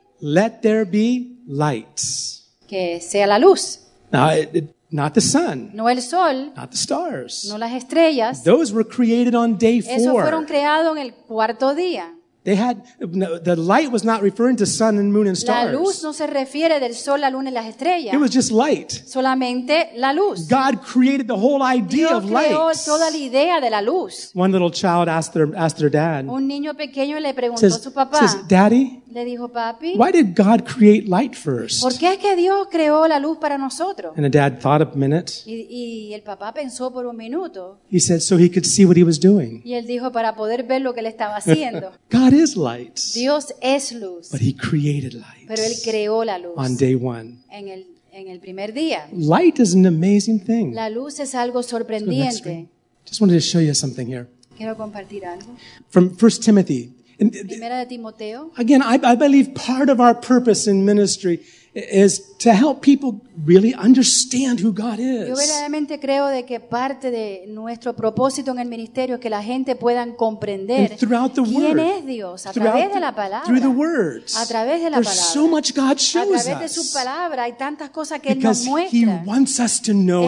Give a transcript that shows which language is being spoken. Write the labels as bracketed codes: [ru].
[en] let there be light. [es] Que sea la luz. [en] Not the sun. [es] No el sol. [en] Not the stars. [es] No las estrellas. [en] Those were created on day 4. [es] Esos fueron creados en el cuarto día. [en] They had no, the light was not referring to sun and moon and stars. [es] La luz no se refiere del sol, la luna y las estrellas. [en] It was just light. [es] Solamente la luz. [en] God created the whole idea [es] Dios [en] of light. [es] Dios creó toda la idea de la luz. [en] One little child asked their dad. [es] Un niño pequeño le preguntó [en] says, [es] a su papá. [en] Says, Daddy, [es] le dijo papi. [en] Why did God create light first? [es] ¿Por qué es que Dios creó la luz para nosotros? [en] And the dad thought a minute. [es] Y el papá pensó por un minuto. [en] He said so he could see what he was doing. [es] Y él dijo para poder ver lo que él estaba haciendo. [en] God is light. [es] Dios es luz. [en] But he created light. [es] Pero él creó la luz. [en] On day one. [es] En el primer día. [en] Light is an amazing thing. [es] La luz es algo sorprendente. [en] Just wanted to show you something here. [es] Quiero compartir algo. [en] From 1 Timothy. [es] Primera de Timoteo. [en] Again, I believe part of our purpose in ministry is to help people really understand who God is. [es] Yo verdaderamente creo de que parte de nuestro propósito en el ministerio es que la gente puedan comprender quién es Dios a través de la palabra. [en] Through the words. [es] A través de la palabra. [en] There's so much God shows us. [es] A través de su palabra hay tantas cosas que [en] because [es] él nos muestra. [en] He wants us to know